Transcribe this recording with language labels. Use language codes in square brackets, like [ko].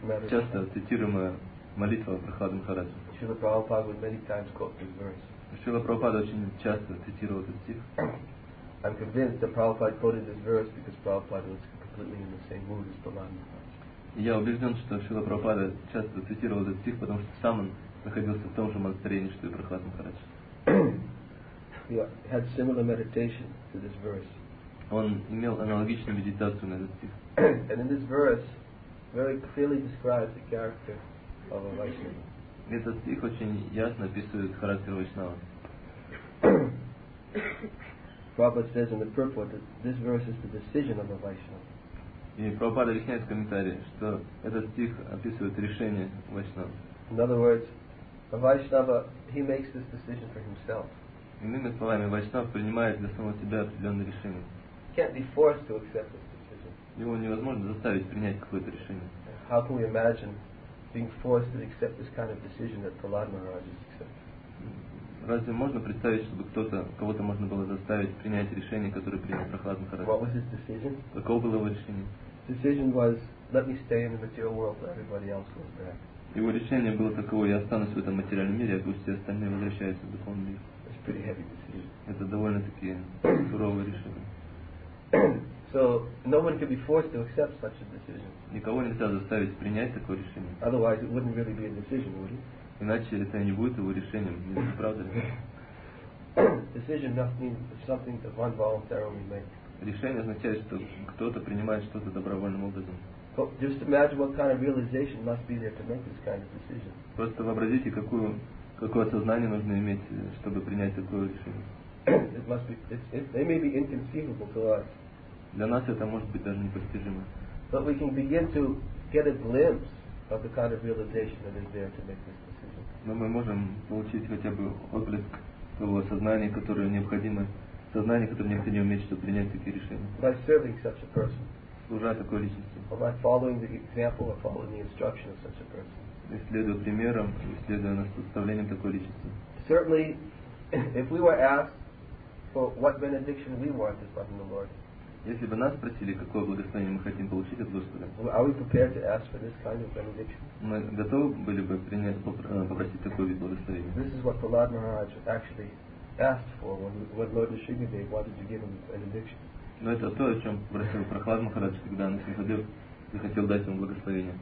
[ru] Часто цитируемая молитва Прохлада Махараджа. Шрила Прабхупада очень часто цитировал этот стих. [en] I'm convinced that Prabhupada quoted this verse because Prabhupada was completely in the same mood as Prahlada. [ru] Я убежден, что Шрила Прабхупада часто цитировал этот стих, потому что сам он находился в том же настроении, что и Прохлад Махарадж. [en] Had similar meditation to this verse. [ru] Он имел аналогичную медитацию на этот стих. [en] And in this verse, very clearly describes the character of a Vaishnava. [ru] Этот стих очень ясно описывает характер Вайшнава. [en] Prabhupada says in the purport that this verse is the decision of a Vaishnava. [ru] И Прабхупада объясняет в комментарии, что этот стих описывает решение Вайшнава. [en] In other words, a Vaishnava, he makes this decision for himself. [ru] Иными словами, Вайшнав принимает для самого себя определенное решение. [en] He can't be forced to accept this decision. [ru] Его невозможно заставить принять какое-то решение. [en] How can we imagine being forced to accept this kind of decision that Prahlad Maharaj has accepted? [ru] Разве можно представить, чтобы кого-то можно было заставить принять решение, которое принял Прохлад Махарадж? [en] What was his decision? [ru] Каково было его решение? [en] Decision was, let me stay in the material world, let everybody else goes back. [ru] Его решение было таково: я останусь в этом материальном мире, а пусть все остальные возвращаются в духовный мир. [en] It's pretty heavy decision. [ru] Это довольно-таки суровое решение. [en] So no one could be forced to accept such a decision. [ru] Никого нельзя заставить принять такое решение. [en] Otherwise, it wouldn't really be a decision, would it? [ru] Иначе это не будет его решением, не правда ли? [en] decision does mean something that one voluntarily makes. [ru] Решение означает, что кто-то принимает что-то добровольным образом. [en] Just imagine what kind of realization must be there to make this kind of decision. [ru] Просто вообразите, какое осознание нужно иметь, чтобы принять такое решение. [en] It must be. They may be inconceivable to us. [ru] Для нас это может быть даже непостижимо. [en] But we can begin to get a glimpse of the kind of realization that is there to make this decision. [ru] Но мы можем получить хотя бы отблеск того осознания, которое необходимо. Сознание, которое необходимо иметь, чтобы принять такие решения. [en] By serving such a person. [ru] Служа такой личности. [en] Or by following the example or following the instruction of such a person. [ru] Следуя примерам, следуя наставлениям такой личности. [en] Certainly, if we were asked for what benediction we want is from the Lord. [ru] Если бы нас спросили, какое благословение мы хотим получить от Господа. [en] Well, are we prepared to ask for this kind of benediction? [ru] Мы готовы были бы попросить такой вид благословения. [en] This is what Prahlad Maharaj actually asked for when Lord Nrisimhadev wanted to give him a benediction. [ru] Но это то, о чем просил Прохлад Махарадж, когда Нрисимхадев захотел дать ему благословение.